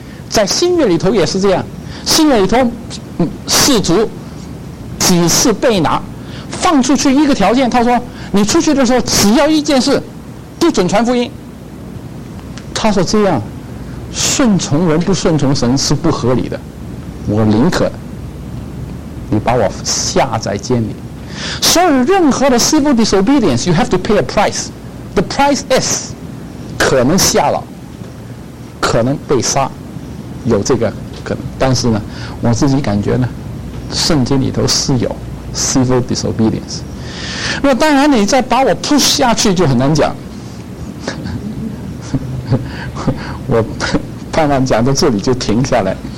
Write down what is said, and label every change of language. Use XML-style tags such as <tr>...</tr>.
<zh>在新约里头也是这样，新约里头士族几次被拿，放出去一个条件，他说你出去的时候只要一件事，不准传福音。他说这样顺从人不顺从神是不合理的，我宁可你把我下在监里。所以任何的</zh> <en>civil disobedience you have to pay a price, the price is</en> <zh>可能下牢，可能被杀，有这个可能。但是呢，我自己感觉呢，圣经里头是有 civil disobedience。那当然你再把我 push 下去就很难讲。我盼望讲到这里就停下来。</zh>